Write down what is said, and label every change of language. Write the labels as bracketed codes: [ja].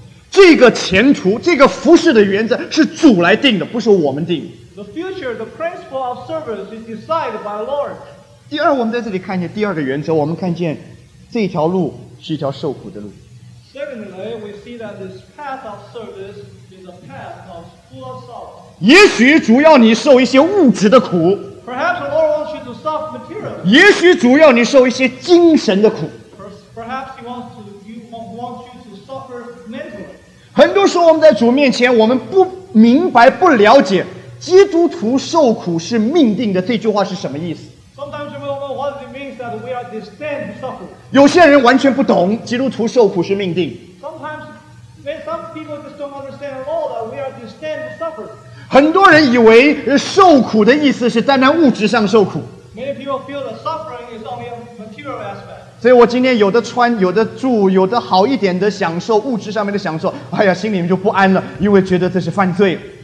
[zh] 这个前途，这个服侍的原则是主来定的，不是我们定的。 [en] The future, the principle of service is decided by the Lord. [zh] 第二，我们在这里看见第二个原则，我们看见这条路是一条受苦的路。 [en] Secondly, we see that this path of service is a path of full of sorrow. [zh] 也许主要你受一些物质的苦。 [en] Perhaps the Lord wants you to suffer material. [zh] 也许主要你受一些精神的苦。 [en] Perhaps he wants to, you want you to suffer mentally. [zh] 很多时候我们在主面前，我们不明白，不了解。基督徒受苦是命定的，这句话是什么意思？ [en] Sometimes we don't know what it means that we are destined to suffer. [zh] 有些人完全不懂基督徒受苦是命定。 [en] Sometimes some people just don't understand at all that we are destined to suffer. [zh] 很多人以为受苦的意思是单单物质上受苦。 [en] Many people feel that suffering is only a material aspect. [zh] 所以我今天有的穿，有的住，有的好一点的享受，物质上面的享受，哎呀，心里面就不安了，因为觉得这是犯罪。